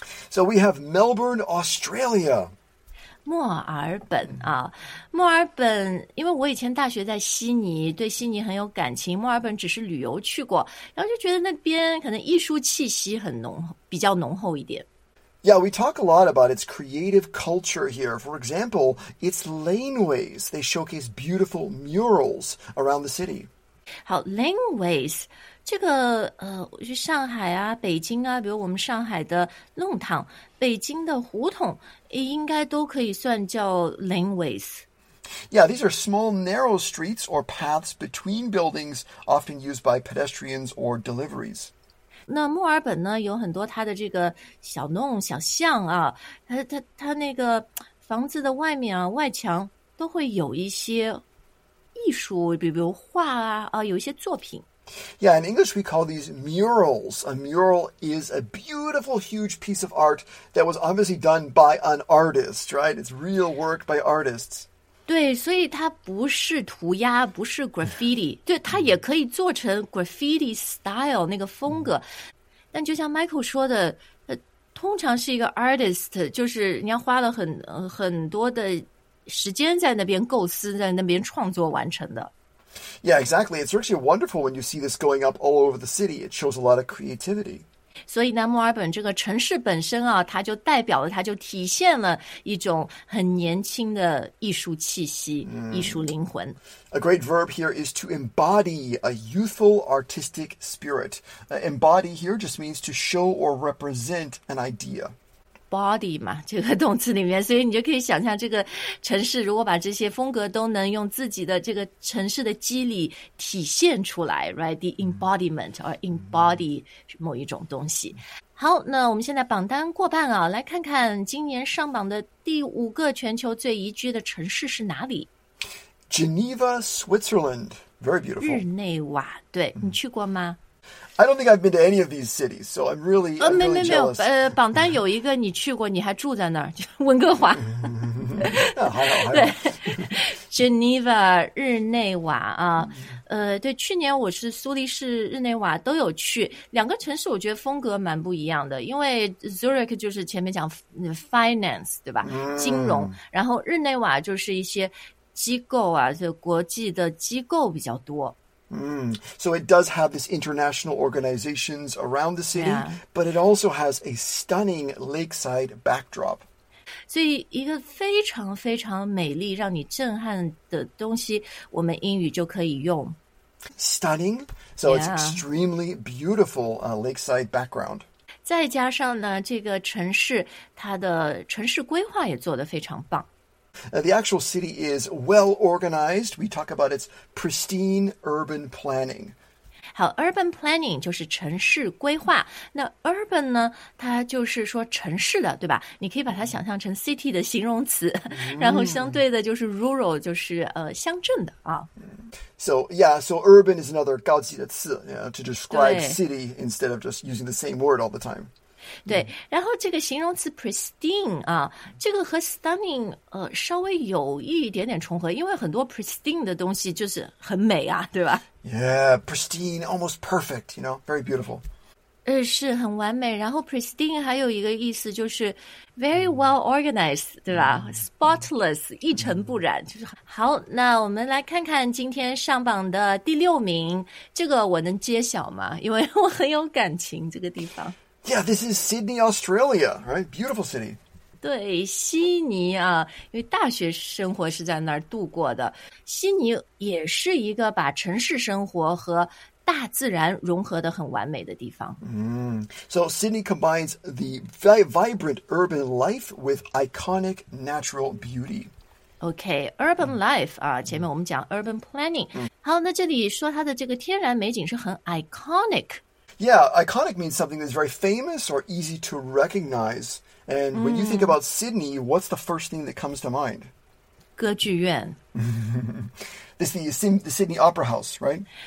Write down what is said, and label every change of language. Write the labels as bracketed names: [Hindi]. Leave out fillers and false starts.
[English] So we have Melbourne, Australia. [Chinese] 墨尔本啊，墨尔本，因为我以前大学在悉尼，对悉尼很有感情，墨尔本只是旅游去过，然后就觉得那边可能艺术气息很浓，比较浓厚一点。 [English] Yeah, we talk a lot about its creative culture here. For example, its laneways, they showcase beautiful murals around the city. [Chinese] 好 ,laneways, 这个去上海啊北京啊比如我们上海的弄堂北京的胡同应该都可以算叫 laneways。 [English] Yeah, these are small narrow streets or paths between buildings often used by pedestrians or deliveries. [Chinese] 那墨尔本呢有很多它的这个小弄小巷啊它那个房子的外面啊外墙都会有一些艺术比如画啊有一些作品。 [English] Yeah, in English we call these murals. A mural is a beautiful, huge piece of art that was obviously done by an artist, right? It's real work by artists. [Chinese] 对所以它不是涂鸦不是 graffiti. 对它也可以做成 graffiti style, 那个风格。但就像 Michael 说的通常是一个 artist, 就是人家花了很多的时间在那边构思在那边创作完成的 [English] Yeah, exactly. It's actually wonderful when you see this going up all over the city. It shows a lot of creativity. [Chinese] 所以呢墨尔本这个城市本身啊它就代表了它就体现了一种很年轻的艺术气息、艺术灵魂 [English] A great verb here is to embody a youthful artistic spirit. Embody here just means to show or represent an idea [Chinese] Body 嘛，这个动词里面，所以你就可以想象这个城市如果把这些风格都能用自己的这个城市的肌理体现出来 ，right? [English] The embodiment or embody [Chinese] 某一种东西。好，那我们现在榜单过半啊，来看看今年上榜的第五个全球最宜居的城市是哪里 [English] ？Geneva, Switzerland, very beautiful. [Chinese] 日内瓦，对你去过吗？ [English] I don't think I've been to any of these cities, so I'm really, I'm really jealous. [Chinese] 没有，榜单有一个你去过，你还住在那儿，温哥华。对，Geneva 日内瓦啊，对，去年我是苏黎世、日内瓦都有去，两个城市我觉得风格蛮不一样的，因为 Zurich 就是前面讲 finance 对吧，金融，然后日内瓦就是一些机构啊，就国际的机构比较多。 [English] So it does have this international organizations around the city, but it also has a stunning lakeside backdrop. [Chinese] 所以一个非常非常美丽让你震撼的东西我们英语就可以用。 [English] Stunning. So it's extremely beautiful, lakeside background. [Chinese] 再加上呢这个城市它的城市规划也做得非常棒。 [English] The actual city is well organized. We talk about its pristine urban planning. [Chinese] 好 ,urban planning 就是城市规划。那 urban 呢它就是说城市的对吧你可以把它想象成 city 的形容词、然后相对的就是 rural, 就是乡镇的啊。 [English] So urban is another [Chinese] 高级的词 [English] to describe city instead of just using the same word all the time. [Chinese] 对、然后这个形容词 pristine 啊这个和 stunning 稍微有一点点重合因为很多 pristine 的东西就是很美啊对吧 [English] Yeah, pristine, almost perfect, you know, very beautiful. [Chinese] 是很完美。然后 pristine 还有一个意思就是 [English] very well organized， [Chinese] 对吧？ Spotless， 一尘不染，就是好。那我们来看看今天上榜的第六名，这个我能揭晓吗？因为我很有感情这个地方。 [English] Yeah, this is Sydney, Australia, right? Beautiful city. [Chinese] 对，悉尼啊，因为大学生活是在那儿度过的。悉尼也是一个把城市生活和大自然融合的很完美的地方。 [English] So Sydney combines the vibrant urban life with iconic natural beauty. [Chinese] Okay, urban life 啊，前面我们讲 urban planning。好，那这里说它的这个天然美景是很 iconic。 [English] Yeah, iconic means something that's very famous or easy to recognize. And when you think about Sydney, what's the first thing that comes to mind? [Chinese] 歌剧院。 [English] This is the Sydney Opera House, right?